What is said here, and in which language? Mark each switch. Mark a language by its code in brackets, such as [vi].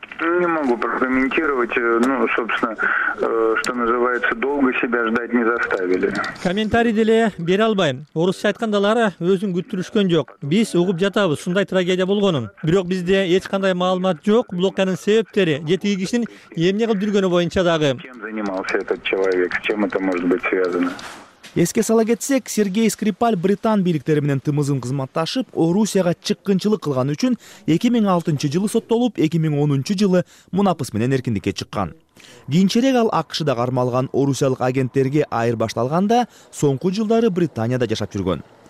[ru] Не могу прокомментировать, ну, собственно, что называется, долго себя ждать не заставили. [ky] Комментарий деле бере албайм. Орусча айтканда алар өзүн күттүрүшкөн жок. Биз угуп жатабыз ушундай трагедия болгонун. Бирок бизде эч кандай маалымат жок блоканын себептери, жетиги кишинин эмне кылып жүргөнү боюнча дагы. [ru] Кем занимался этот человек? С чем это может быть связано? [ky] Эске сала кетсек, Сергей Скрипаль британ бийликтери менен тымызын кызматташып, Орусияга чыккынчылык кылган үчүн 2006 жылы соттолуп, 2010 жылы мунапыс менен эркиндикке чыккан. Кийинчерээк ал АКШда кармалган орусиялык агенттерге айырбашталганда, соңку жылдары Британияда жашап жүргөн.